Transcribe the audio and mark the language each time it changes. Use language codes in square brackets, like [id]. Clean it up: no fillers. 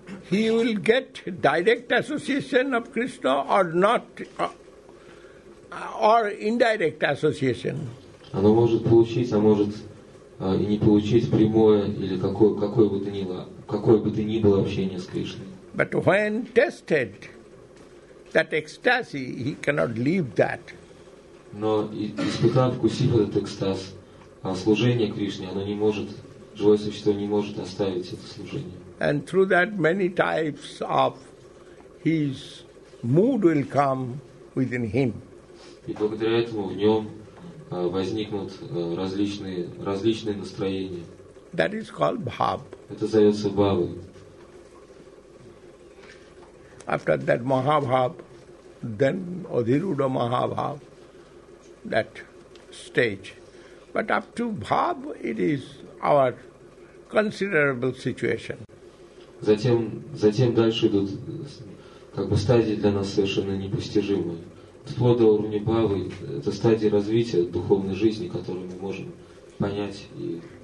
[en] He will get direct association of Krishna or not, or indirect association. [ru] Оно может получить, а может и не получить прямое или какое бы то ни было общение с Кришной. [en] But when tested, that ecstasy, he cannot leave that. [ru] Но испытав, вкусив этот экстаз, а служение Кришне, оно не может, живое существо не может оставить это служение. [en] And through that many types of his mood will come within him. [ru] И благодаря этому в нем возникнут различные настроения. [en] That is called bhav. [ru] Это зовется бхавы. [en] After that mahabhav, then adhirudha mahabhav, that stage. But up to bhav, it is our considerable situation. [ru] Затем дальше идут как бы стадии для нас совершенно непостижимые. Вплоть до уровня бхавы, это стадии развития духовной жизни, которую мы можем понять и...